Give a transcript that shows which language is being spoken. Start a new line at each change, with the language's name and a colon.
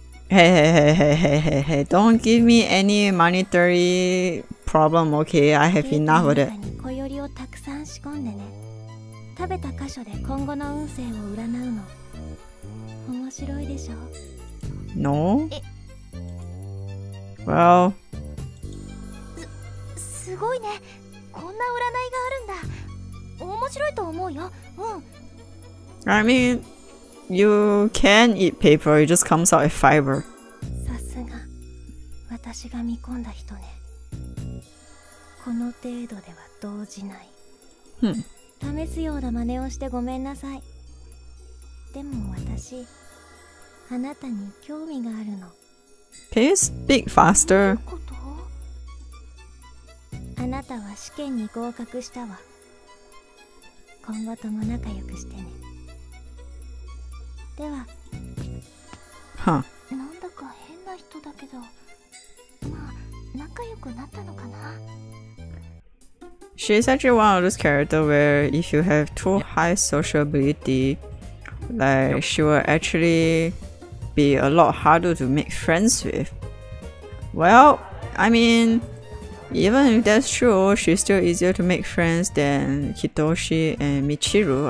English: Hey, don't give me any monetary problem, okay? I have enough of it.
Japanese: 小寄りをたくさん仕込んでね。食べた箇所で今後の運勢を占うの。面白いでしょ？
English: No? Well...
Japanese: すごいね。こんな占いがあるんだ。面白いと思うよ。うん。
English: I mean... You can eat paper, it just comes out as fiber.
Japanese: さすが、私が見込んだ人ね。この程度では動じない。試すような真似をしてごめんなさい。でも私、あなたに興味があるの。
English: Can you speak faster?
Japanese: あなたは試験に合格したわ。今後とも仲良くしてね。では、 huh. なんだか変な人だけど、まあ仲良くなったのかな。
English: She's actually one of those characters where if you have too high sociability, like she will actually be a lot harder to make friends with. Well, I mean, even if that's true, she's still easier to make friends than Hitoshi and Michiru.